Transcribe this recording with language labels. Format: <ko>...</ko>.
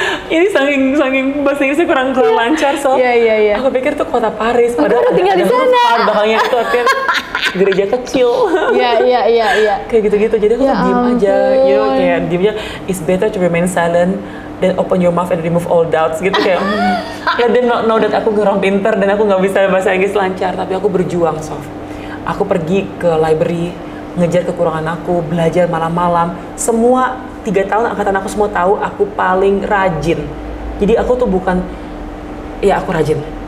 <id>Ini saking bahasa Inggrisnya kurang lancar, so.</id> <en>Yeah.</en> <id>Aku pikir tuh kota Paris. Aku padahal tinggal di sana. Bahannya itu artinya gereja kecil. Iya. Kayak gitu-gitu. Jadi aku diem aja. You know, kayak diemnya,</id> <en>it's better to remain silent</en> <id>dan</id> <en>open your mouth and remove all doubts</en> <id>gitu kayak. Ya dia nggak know that aku kurang pinter dan aku nggak bisa bahasa Inggris lancar, tapi aku berjuang, Sof. Aku pergi ke library, ngejar kekurangan aku, belajar malam-malam. Semua 3 tahun angkatan aku semua tahu aku paling rajin. Jadi aku tuh bukan, ya aku rajin.</id>